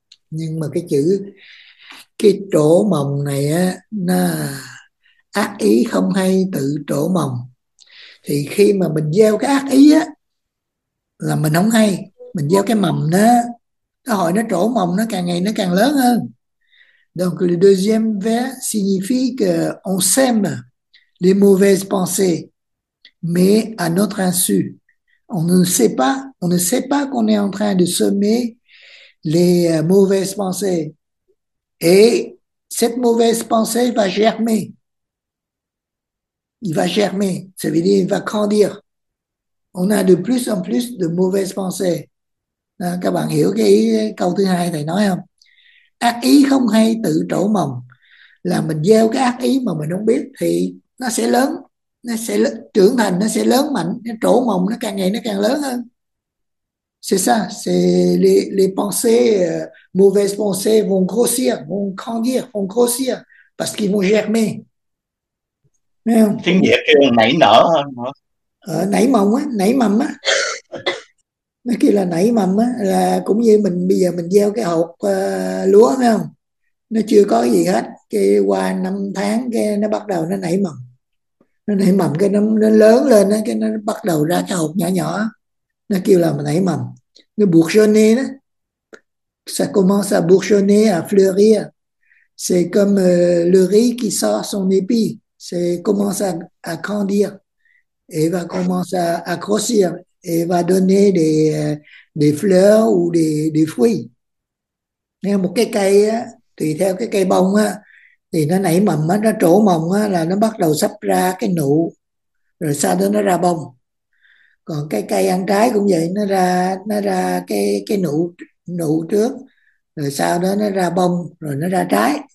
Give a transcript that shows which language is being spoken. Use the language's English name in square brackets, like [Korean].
[Vietnamese] Nhưng mà cái trổ mồng này á, nó ác ý không hay tự trổ mồng, thì khi mà mình gieo cái ác ý á là mình không hay, mình gieo cái mầm đó, nó hồi nó trổ mồng nó càng ngày nó càng lớn hơn. [French] Donc le deuxième vers signifie que on sème les mauvaises pensées, mais à notre insu. On ne sait pas qu'on est en train de semer les mauvaises pensées. Et cette mauvaise pensée va germer. Il va germer. Ça veut dire qu'il va grandir. On a de plus en plus de mauvaises pensées. [Vietnamese] Đó, các bạn hiểu cái ý câu thứ hai thầy nói không? Ác ý không hay tự trổ mầm. Là mình gieo cái ác ý mà mình không biết thì nó sẽ lớn. Nó sẽ trưởng thành, nó sẽ lớn mạnh. Nó trổ mầm, nó càng ngày nó càng lớn hơn. [French] C'est ça, c'est les pensées, mauvaises pensées vont grossir, vont grandir, vont grossir, parce qu'ils vont germer. [Vietnamese] Nghe không? Tiếng Việt kêu nảy nở hơn. Nảy mầm á, nảy mầm á. Nó kêu là nảy mầm á, là cũng như mình bây giờ mình gieo cái hột lúa phải không? Nó chưa có gì hết, cái qua 5 tháng cái nó bắt đầu nó nảy mầm. Nó nảy mầm cái nó lớn lên á, cái nó bắt đầu ra cái hột nhỏ nhỏ. Nó kêu là nảy mầm. Nó bourgeonner đó. [French] Ça commence à bourgeonner, à fleurir. C'est comme le riz qui sort son épi. C'est commence à grandir. Et va commencer à grossir. Et va donner des fleurs ou des fruits. [Vietnamese] Nên một cái cây á, tùy theo cái cây bông á, thì nó nảy mầm á, nó trổ mầm á, là nó bắt đầu sắp ra cái nụ. Rồi sau đó nó ra bông. Còn cái cây ăn trái cũng vậy, nó ra cái nụ nụ trước, rồi sau đó nó ra bông, rồi nó ra trái.